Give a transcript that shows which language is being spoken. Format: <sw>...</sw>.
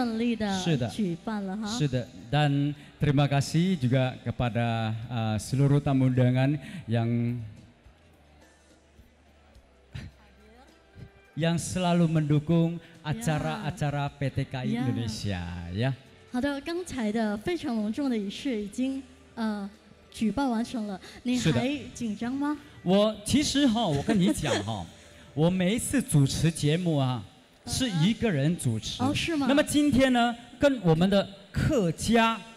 <zh>好的，就是刚才隆重的就职典礼是已经顺利的举办了哈。是的。</zh> <id>Dan terima kasih juga kepada seluruh tamu undangan yang yang selalu mendukung acara-acara PT KI Indonesia ya.</id> <zh>好的，刚才的非常隆重的仪式已经。举办完成了，你还紧张吗？我其实哈，我跟你讲哈， 我每一次主持节目啊， 是一个人主持。哦， 是吗？那么今天呢， 跟我们的客家，</zh>